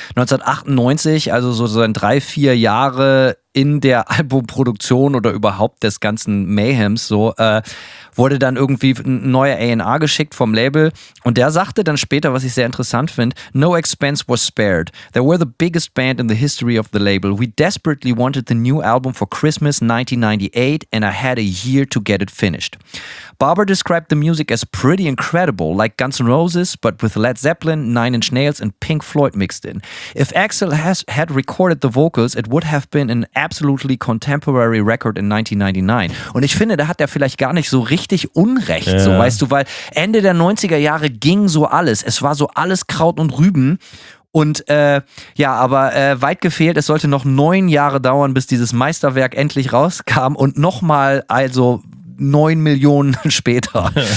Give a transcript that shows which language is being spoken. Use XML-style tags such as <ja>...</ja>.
<de>1998, also sozusagen 3-4 Jahre in der Albumproduktion oder überhaupt des ganzen Mayhems, so wurde dann irgendwie ein neuer A&R geschickt vom Label. Und der sagte dann später, was ich sehr interessant finde,</de> <en>"No expense was spared. They were the biggest band in the history of the label. We desperately wanted the new album for Christmas 1998 and I had a year to get it finished. Barber described the music as pretty incredible, like Guns N' Roses, but with Led Zeppelin, Nine Inch Nails and Pink Floyd mixed in. If Axl had recorded the vocals, it would have been an absolutely contemporary record in 1999.</en> <de>Und ich finde, da hat er vielleicht gar nicht so richtig Unrecht, ja. So weißt du, weil Ende der 90er Jahre ging so alles. Es war so alles Kraut und Rüben. Und weit gefehlt, es sollte noch 9 Jahre dauern, bis dieses Meisterwerk endlich rauskam. Und nochmal, also 9 Millionen später.</de>